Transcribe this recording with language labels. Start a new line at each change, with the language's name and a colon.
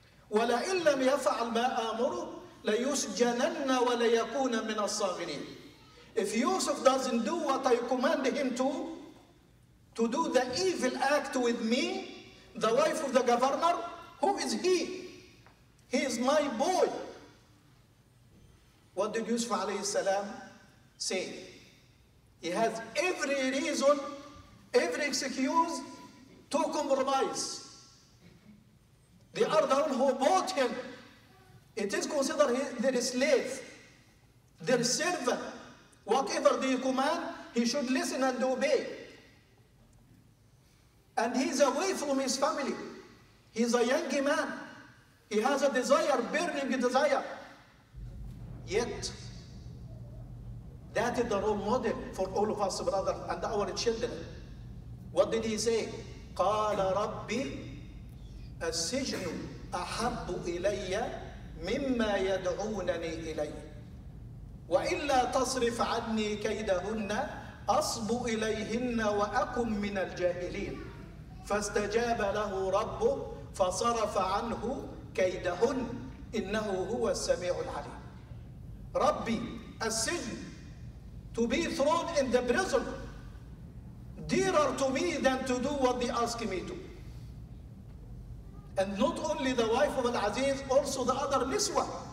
Arabic: ولئن لم يفعل ما آمره ليسجنن وليكون من الصاغرين.
English: If Yusuf doesn't do what I command him to do the evil act with me, the wife of the governor, who is he? He is my boy. What did Yusuf alayhi salam say? He has every reason, every excuse to compromise. They are the one who bought him. It is considered their slave, their servant. Whatever they command, he should listen and obey. And he's away from his family. He's a young man. He has a desire, burning desire. Yet, that is the role model for all of us, brother, and our children. What did he say?
Arabic: قال ربي السجن أحب إلي مما يدعونني إلي وإلا تصرف عني كيدهن أصب إليهن وأكن من الجاهلين فاستجاب له ربه فصرف عنه كيدهن إنه هو السميع العليم. ربي السجن,
English: to be thrown in the prison, dearer to me than to do what they ask me to. And not only the wife of Al-Aziz, also the other niswa.